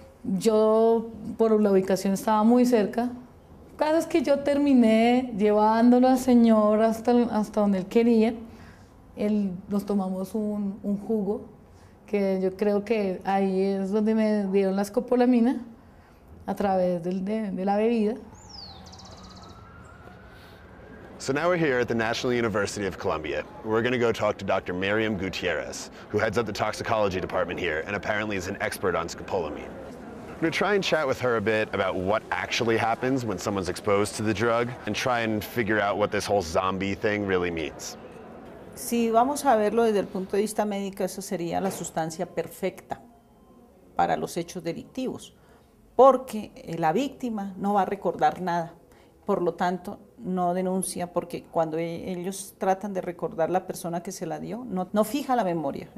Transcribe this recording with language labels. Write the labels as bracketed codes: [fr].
[es] Yo, por la ubicación, estaba muy cerca. El caso es que yo terminé llevándolo al señor hasta donde él quería. Nos tomamos un jugo, que yo creo que ahí es donde me dieron la escopolamina, a través de la bebida. [en] So now we're here at the National University of Colombia. We're going to go talk to Dr. Miriam Gutierrez, who heads up the toxicology department here and apparently is an expert on scopolamine. I'm going to try and chat with her a bit about what actually happens when someone's exposed to the drug and try and figure out what this whole zombie thing really means. [es] Si vamos a verlo desde el punto de vista médico, eso sería la sustancia perfecta para los hechos delictivos, porque la víctima no va a recordar nada, por lo tanto, no denuncia, porque cuando ellos tratan de recordar la persona que se la dio, no fija la memoria.